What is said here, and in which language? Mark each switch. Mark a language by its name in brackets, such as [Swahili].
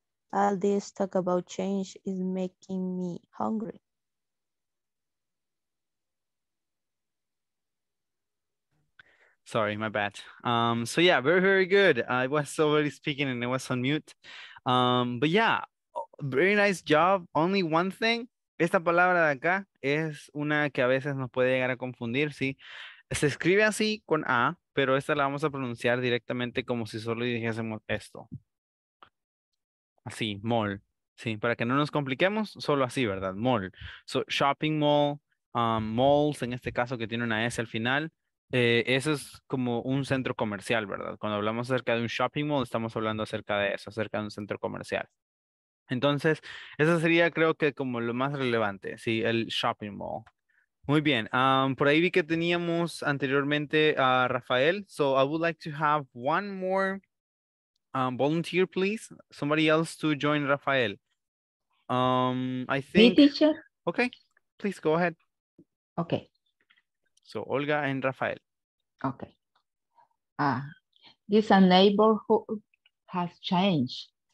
[Spanish] All this talk about change is making me hungry. Sorry, my bad. So yeah, very, very good. I was already speaking and it was on mute. But yeah, very nice job. Only one thing. Esta palabra de acá es una que a veces nos puede llegar a confundir, ¿sí? Se escribe así con A, pero esta la vamos a pronunciar directamente como si solo dijésemos esto. Así, mall. Sí, para que no nos compliquemos, solo así, ¿verdad? Mall. [English] So, shopping mall, malls, [Spanish] en este caso que tiene una S al final. Eso es como un centro comercial, ¿verdad? Cuando hablamos acerca de un shopping mall, estamos hablando acerca de eso, acerca de un centro comercial. Entonces, eso sería creo que como lo más relevante, ¿sí? El shopping mall. Muy bien. Por ahí vi que teníamos anteriormente a Rafael. [English] So, I would like to have one more volunteer, please. Somebody else to join Rafael. I think... Me, teacher? Okay. Please, go ahead. Okay. So, Olga and Rafael. Okay. This neighborhood has changed.